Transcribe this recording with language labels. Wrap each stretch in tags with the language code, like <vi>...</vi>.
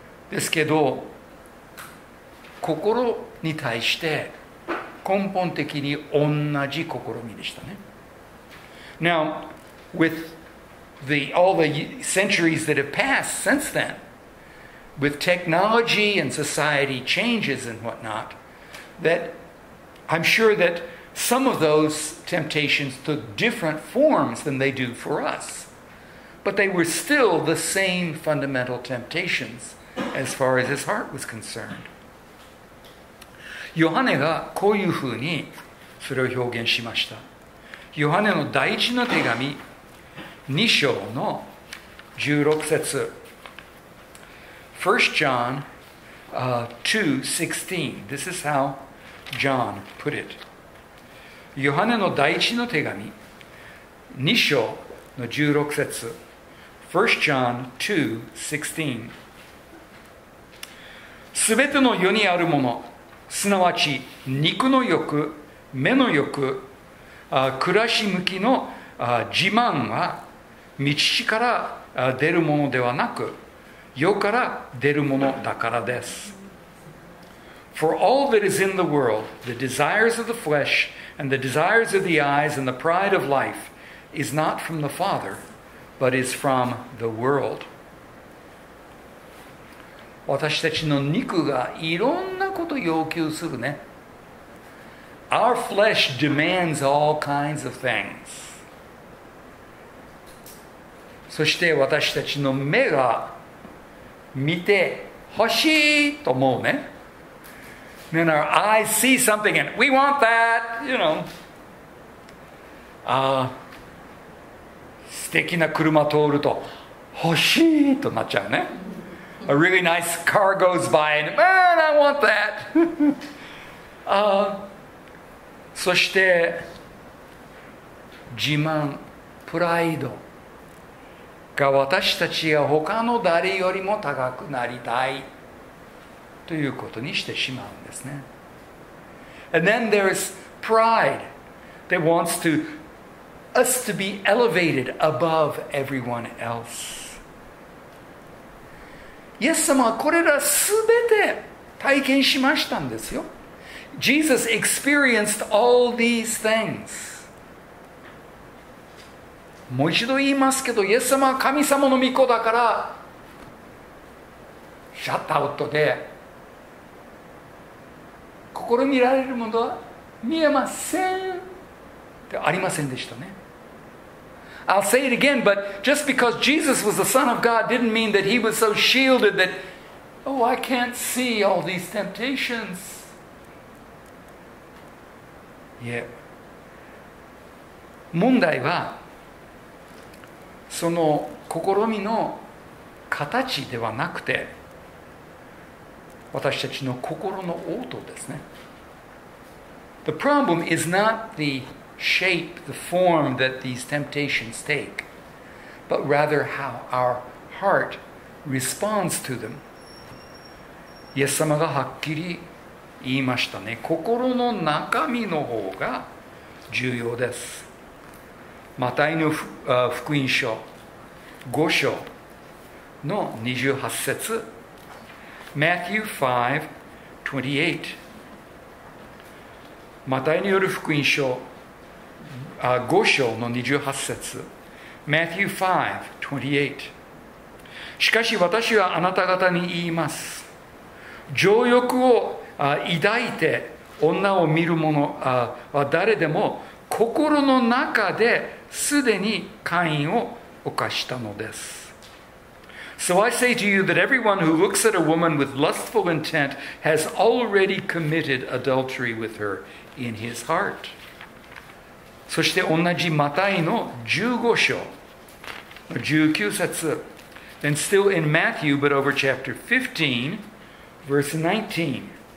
<ja>ですけど、心に対して根本的に同じ試みでしたね。</ja> <en>Now, with all the centuries that have passed since then, with technology and society changes and whatnot, that I'm sure that some of those temptations took different forms than they do for us. But they were still the same fundamental temptations as far as his heart was concerned.</en> <ja>ヨハネがこういうふうにそれを表現しました。ヨハネの第一の手紙2章の16節。</ja> <en>1 John 2:16. This is how John put it.</en> <ja>ヨハネの第一の手紙2章の16節。</ja> <en>1 John 2:16.</en> <ja>すべての世にあるもの、すなわち肉の欲、目の欲、暮らし向きの自慢は道から出るものではなく世から出るものだからです。</ja> <en>For all that is in the world, the desires of the flesh and the desires of the eyes and the pride of life is not from the Father but is from the world.</en> <ja>私たちの肉がいろんなこと要求するね。</ja> <en>Our flesh demands all kinds of things.</en> <ja>そして私たちの目が見て欲しいと思うね。</ja> <en>Then our eyes see something and we want that, you know.</en> <ja>素敵な車通ると欲しいとなっちゃうね。</ja> <en>A really nice car goes by and man, I want that.</en> <ja>そして自慢、プライドが私たちが他の誰よりも高くなりたいということにしてしまうんですね。</ja> <en>And then there's pride that wants to us to be elevated above everyone else.</en> <ja>イエス様はこれらすべて体験しましたんですよ。</ja> <en>Jesus experienced all these things.</en> <ja>もう一度言いますけど、イエス様は神様の御子だから、シャットアウトで、心見られるものは見えませんってありませんでしたね。</ja> <en>I'll say it again, but just because Jesus was the Son of God didn't mean that he was so shielded that, oh, I can't see all these temptations. Yeah.</en> <ja>問題は、その試みの形ではなくて、私たちの心の応答ですね。</ja> <en>The problem is not the shape, the form that these temptations take, but rather how our heart responds to them.</en> <ja>イエス様がはっきり言いましたね。心の中身の方が重要です。マタイの福音書5章の28節。</ja> <en>Matthew 5:28。</en> <ja>マタイによる福音書5章の28節</ja> <en>Matthew 5:28。</en> <ja>しかし私はあなた方に言います、情欲を抱いて女を見る者は誰でも心の中ですでに姦淫を犯したのです。</ja> <en>So I say to you that everyone who looks at a woman with lustful intent has already committed adultery with herin his heart.</en> <ja>そして同じマタイの15章19節。</ja> <en>And still in Matthew, but over chapter 15, verse 19.</en>